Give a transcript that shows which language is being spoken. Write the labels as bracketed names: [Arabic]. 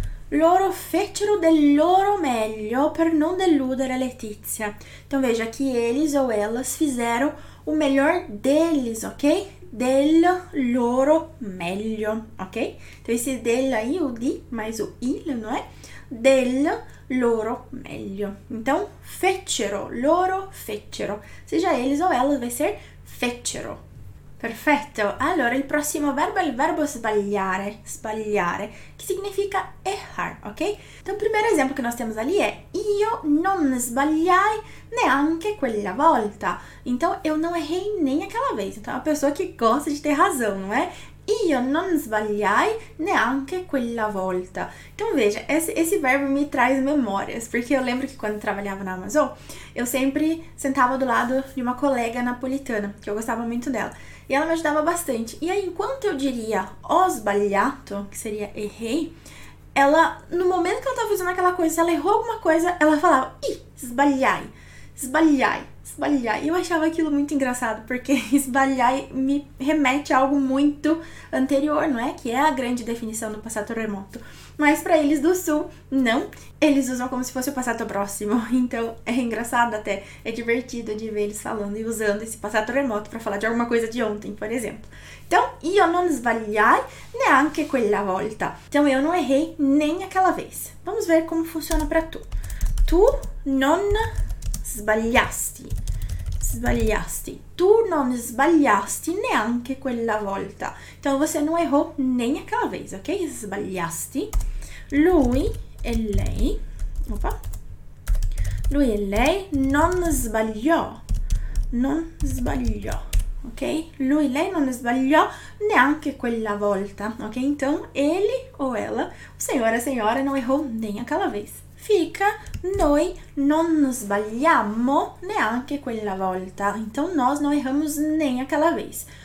[Italian] Loro fecero del loro meglio per non deludere Letizia. [Portuguese] Então, veja que eles ou elas fizeram o melhor deles, ok? [Italian] Del loro meglio, ok? [Portuguese] Então, esse del aí, o di, mais o il, não é? [Italian] Del loro meglio. [Portuguese] Então, fecero, [Italian] loro fecero. [Portuguese] Seja eles ou elas, vai ser fecero. [Italian] Perfetto. Allora, il prossimo verbo è il verbo sbagliare. Sbagliare, che significa errar, ok? Então, il primo esempio che noi abbiamo lì è io non sbagliai neanche quella volta. [Portuguese] Então, eu não errei nem aquela vez. Então, é uma pessoa che gosta di ter razão, não é? [Italian] Io non sbagliai neanche quella volta. [Portuguese] Então veja, esse verbo me traz memórias, porque eu lembro que quando eu trabalhava na Amazon, eu sempre sentava do lado de uma colega napolitana, que eu gostava muito dela. E ela me ajudava bastante. E aí, enquanto eu diria [Italian] ho sbagliato, [Portuguese] que seria errei, ela, no momento que ela estava fazendo aquela coisa, se ela errou alguma coisa, ela falava [Italian] ih, sbagliai, sbagliai. [Portuguese] Sbagliar. Eu achava aquilo muito engraçado, porque sbagliar me remete a algo muito anterior, não é? Que é a grande definição do passato remoto. Mas para eles do sul, não. Eles usam como se fosse o passato próximo. Então é engraçado até, é divertido de ver eles falando e usando esse passato remoto para falar de alguma coisa de ontem, por exemplo. [Italian] Então, io non sbagliai neanche quella volta. [Portuguese] Então eu não errei nem aquela vez. Vamos ver como funciona para tu. [Italian] Tu non sbagliasti. Sbagliasti. Tu non sbagliasti neanche quella volta. [Portuguese] Então você não errou nem aquela vez, ok? [Italian] Sbagliasti. Lui e lei. Opa. Lui e lei non sbagliò. Non sbagliò. Ok? Lui e lei non sbagliò neanche quella volta, ok? [Portuguese] Então ele ou ela, o senhor ou a senhora, não errou nem aquela vez. [Italian] Fica, noi non sbagliamo neanche quella volta. [Portuguese] Então, nós não erramos nem aquela vez.